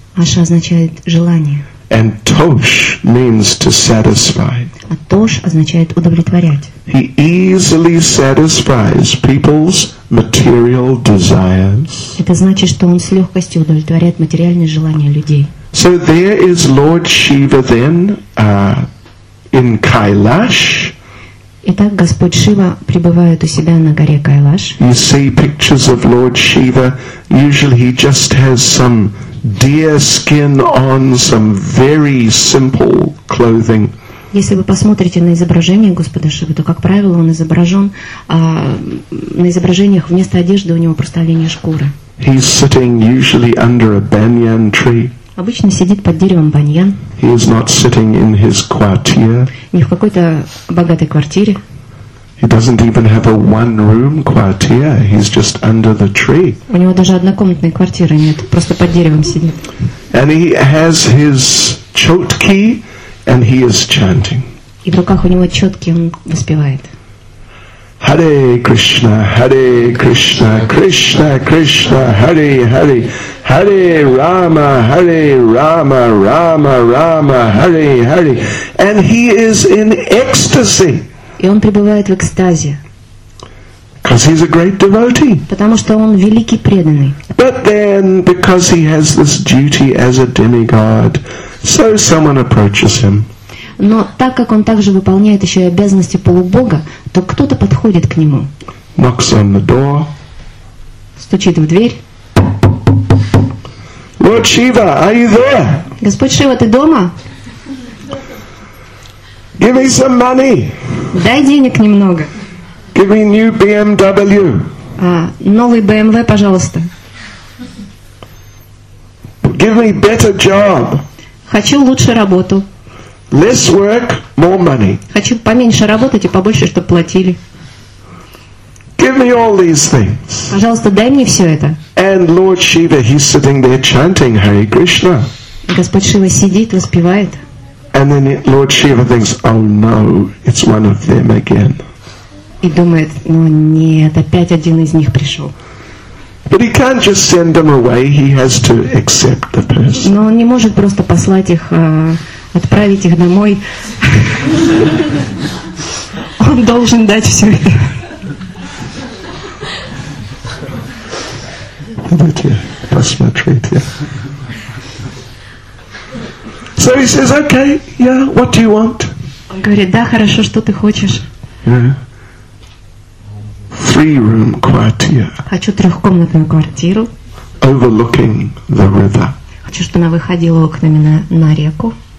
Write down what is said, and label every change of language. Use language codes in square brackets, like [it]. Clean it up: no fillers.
[ru] Аша означает желание. [en] And tosh means to satisfy. [ru] А тош означает удовлетворять. [en] He easily satisfies people's material desires. [ru] Это значит, что он с легкостью удовлетворяет материальные желания людей. [en] So there is Lord Shiva then in Kailash. [ru] Итак, Господь Шива пребывает у себя на горе Кайлаш. [en] You see pictures of Lord Shiva. Usually he just has some deer skin on, some very simple clothing. [ru] Если вы посмотрите на изображение Господа Шивы, то, как правило, он изображен на изображениях вместо одежды у него просто оленья шкура. [en] He's sitting usually under a banyan tree. [ru] Обычно сидит под деревом баньян. [en] He is not sitting in his quartier. [ru] Не в какой-то богатой квартире. [en] He doesn't even have a one-room quartier. He's just under the tree. [ru] У него даже однокомнатной квартиры нет, просто под деревом сидит. [en] And he has his chotki, and he is chanting. [ru] И в руках у него чотки, он воспевает. [sa] Hare Krishna, Hare Krishna, Krishna Krishna, Hare Hare, Hare Rama, Hare Rama, Rama Rama, Hare Hare, [en] and he is in ecstasy. [ru] И он пребывает в экстазе. [en] Because he's a great devotee. [ru] Потому что он великий преданный. [en] But then, because he has this duty as a demigod, so someone approaches him. [ru] Но так как он также выполняет еще и обязанности полубога, то кто-то подходит к нему. [en] Knocks on the door. [ru] Стучит в дверь. [en] Lord Shiva, are you there? [ru] Господь Шива, ты дома? [en] Give me some money. [ru] Дай денег немного. [en] Give me new BMW. [ru] Новый BMW, пожалуйста. [en] Give me better job. [ru] Хочу лучше работу. [en] Less work, more money. [ru] Хочу поменьше работать и побольше, чтобы платили. [en] Give me all these things. [ru] Пожалуйста, дай мне все это. [en] And Lord Shiva, he's sitting there chanting Hare Krishna. [ru] Господь Шива сидит, воспевает. [en] And then Lord Shiva thinks, oh no, it's one of them again. [ru] И думает, ну нет, опять один из них пришел. [en] But he can't just send them away, he has to accept the person. [ru] Но он не может просто послать их, отправить их домой. Он должен дать все это. Давайте посмотрите. [en] So he says, okay, yeah, what do you want? [ru] Он говорит, да, хорошо, что ты хочешь? [en] Yeah. Three-room quartier. [ru] Хочу трехкомнатную квартиру. [en] Overlooking the river. [ru] Хочу, чтобы она выходила окнами на реку.